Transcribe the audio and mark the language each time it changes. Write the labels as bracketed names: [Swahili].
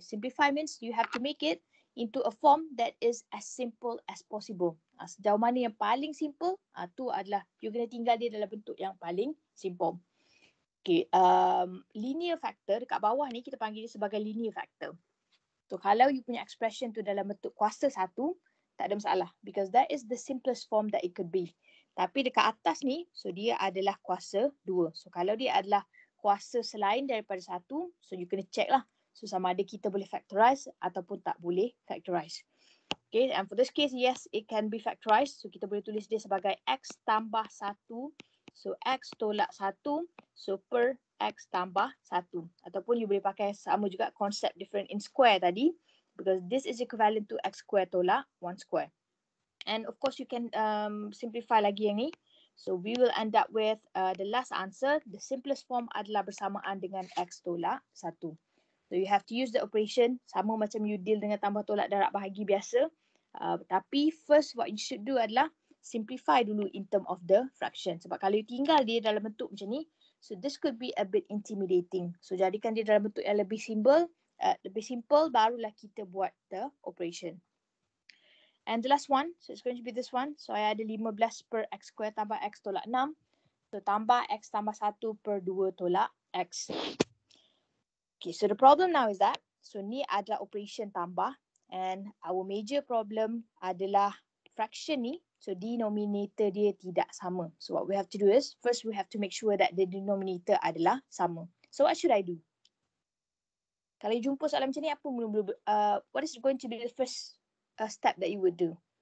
[English] Simplify means you have to make it into a form that is as simple as possible. [Malay] Sejauh mana yang paling simple, tu adalah you kena tinggal dia dalam bentuk yang paling simple. Okay, linear factor dekat bawah ni kita panggil dia sebagai linear factor. [English] So [Malay] kalau you punya expression tu dalam bentuk kuasa 1, tak ada masalah [English] because that is the simplest form that it could be. [Malay] Tapi dekat atas ni, so dia adalah kuasa 2. So kalau dia adalah kuasa selain daripada 1, so you kena check lah. So, sama ada kita boleh factorize ataupun tak boleh factorize. [English] Okay, and for this case, yes, it can be factorized. [Malay] So, kita boleh tulis dia sebagai x tambah 1. So, x tolak 1. So, per x tambah 1. Ataupun you boleh pakai sama juga konsep different in square tadi. [English] Because this is equivalent to x square tolak 1 square. And of course, you can simplify lagi yang ni. So, we will end up with the last answer. The simplest form [Malay] adalah bersamaan dengan x tolak 1. [English] So you have to use the operation [Malay] sama macam [English] you deal [Malay] dengan tambah tolak darab bahagi biasa. [English] Tapi first what you should do adalah simplify dulu in term of the fraction. [Malay] Sebab kalau you tinggal dia dalam bentuk macam ni, [English] so this could be a bit intimidating. [Malay] So jadikan dia dalam bentuk yang lebih simple, barulah kita buat the operation. [English] And the last one, so it's going to be this one. [Malay] So I ada 15 per x square tambah x tolak 6. So tambah x tambah 1 per 2 tolak x. [English] Okay, so the problem now is that, so [Malay] ni adalah operation tambah [English] And our major problem adalah fraction ni. [Malay] So denominator dia tidak sama. [English] So what we have to do is, first we have to make sure that the denominator [Malay] adalah sama. [English] So what should I do? [Malay] Kalau jumpa soalan macam ni, apa mula-mula, [English] what is going to be the first step that you would do?